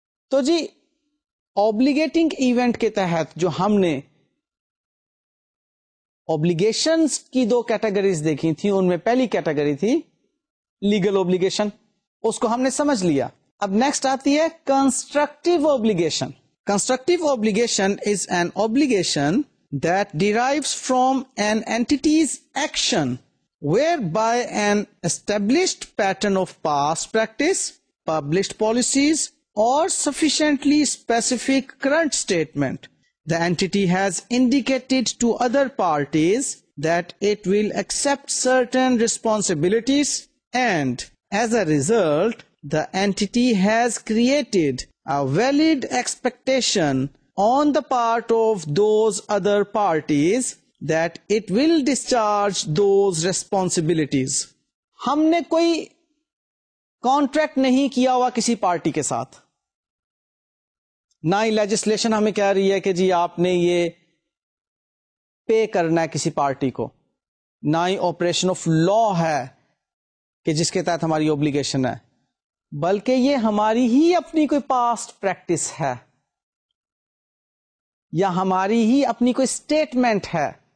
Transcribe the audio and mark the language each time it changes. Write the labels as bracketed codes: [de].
[ur] تو جی obligating event کے تحت جو ہم نے obligations کی دو کیٹیگریز دیکھی تھی, ان میں پہلی کیٹیگری تھی لیگل obligation, اس کو ہم نے سمجھ لیا. اب نیکسٹ آتی ہے constructive obligation. [en] Constructive obligation is an obligation that derives from an entity's action whereby an established pattern of past practice, published policies or sufficiently specific current statement the entity has indicated to other parties that it will accept certain responsibilities and as a result the entity has created a valid expectation on the part of those other parties that it will discharge those responsibilities. [ur] ہم نے کوئی contract نہیں کیا ہوا کسی party کے ساتھ, نہ ہی لیجسلیشن ہمیں کہہ رہی ہے کہ جی آپ نے یہ پے کرنا ہے کسی پارٹی کو, نہ ہی آپریشن آف لا ہے کہ جس کے تحت ہماری obligation ہے, بلکہ یہ ہماری ہی اپنی کوئی پاسٹ پریکٹس ہے یا ہماری ہی اپنی کوئی اسٹیٹمنٹ ہے